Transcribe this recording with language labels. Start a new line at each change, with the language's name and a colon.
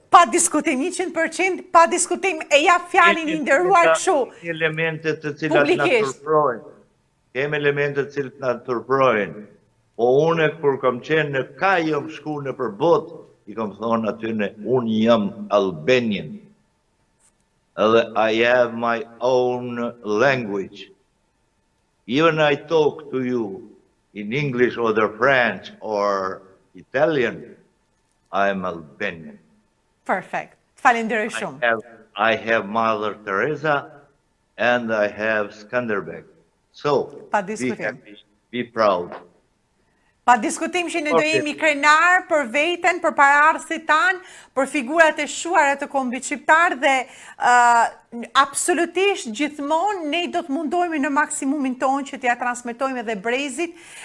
Albanian: Pa diskutim 100%, pa diskutim e ja fjalin i nderuar kështu. Kemi elemente të cilat na turprojnë. Kemi elemente të cilat na turprojnë. Po unë kur kam qenë në Kajëm shku në për botë, i kam thonë aty në unë jam Albanian.
English: Edhe I have my own language. Even I talk to you in English or the French or Italian, I am Albanian.
Albanian: Perfect. Falenderoj shumë.
English: I have Mother Teresa and I have Skanderbeg. So,
Albanian: pa diskutim.
English: Be proud.
Albanian: Pa diskutim që ne do jemi krenar për veten, për paraardhësit tan, për figurat e shuara të kombit shqiptar dhe absolutisht gjithmonë ne do të mundohemi në maksimumin ton që t'ia transmetojmë edhe brezit